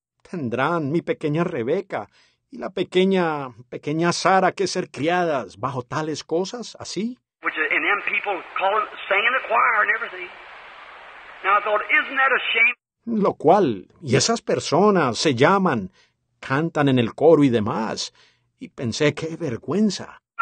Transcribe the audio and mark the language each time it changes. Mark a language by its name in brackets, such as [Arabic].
[Spanish] Tendrán mi pequeña Rebeca y la pequeña Sara que ser criadas bajo tales cosas, así. [English] Which is, and them people calling, singing the choir and everything. Now I thought, isn't that a shame? [Spanish] Lo cual, y esas personas se llaman, cantan en el coro y demás. Y pensé, qué vergüenza.